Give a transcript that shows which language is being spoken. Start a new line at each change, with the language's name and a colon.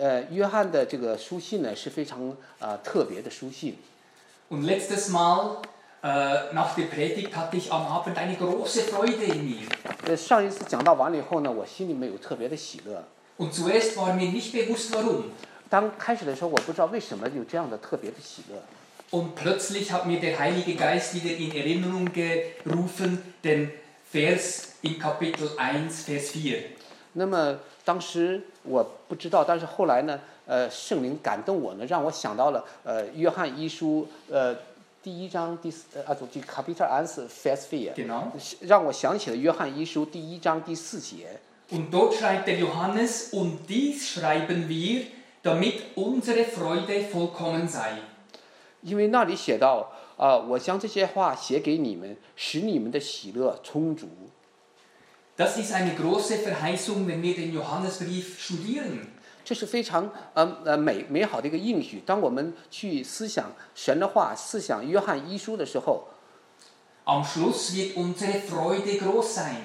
Chinese: 约翰的这个书信呢是非常特别的书信。
German: Und letztes Mal,nach der Predigt hatte ich am Abend eine große Freude in mir.
Chinese: 上一次讲到完了以后呢，我心里面有特别的喜乐。
German: Und zuerst war mir nicht bewusst, warum.
Chinese: 当开始的时候，我不知道为什么有这样的特别的喜乐。
German: Und plötzlich hat mir der Heilige Geist wieder in Erinnerung gerufen den Vers in Kapitel 1, Vers 4.
Chinese: 那么当时我不知道，但是后来呢，圣灵感动我呢，让我想到了约翰一书第一章第四就
German: Kapitel 1, Vers 4
Chinese: 让我想起了约翰一书第一章第四节。
German: Und dort schreibt der Johannes, und dies schreiben wir, damit unsere Freude vollkommen sei.
Chinese: 因为那里写到我将这些话写给你们，使你们的喜乐充足。
German: Das ist eine große Verheißung, wenn wir den Johannesbrief studieren.
Chinese: 这是非常美好的一个应许。当我们去思想神的话，思想约翰一书的时候，
German: Am Schluss wird unsere Freude groß sein.